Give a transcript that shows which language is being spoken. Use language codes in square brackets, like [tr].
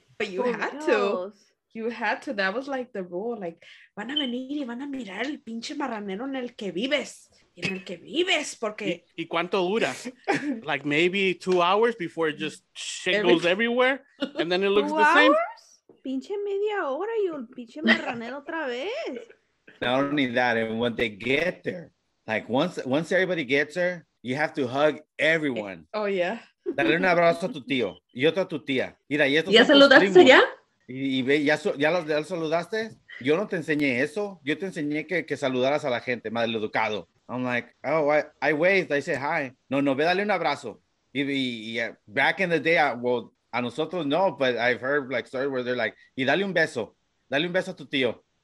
[en] But you had to. You had to. That was like the rule. [es] Like, van a venir y van a mirar el pinche marranero en el que vives. En el que vives, porque... ¿Y cuánto dura? [en] Like maybe 2 hours before it just shit goes everywhere and then it looks the same. [es] Pinche media hora y un pinche marranero otra vez. [en] Not only that, and when they get there, like once everybody gets there, you have to hug everyone. Oh, yeah. [es] Dale un abrazo a tu tío y otro a tu tía. Mira, ¿Ya saludaste ya? Y ve, ¿ya saludaste? Yo no te enseñé eso. Yo te enseñé que saludaras a la gente, mal educado. [en] I'm like, oh, I waved. I said, hi. [es] No, ve, dale un abrazo. [en] Y back in the day, [es] a nosotros no, [en] but I've heard like stories where they're like, [es] y dale un beso a tu tío.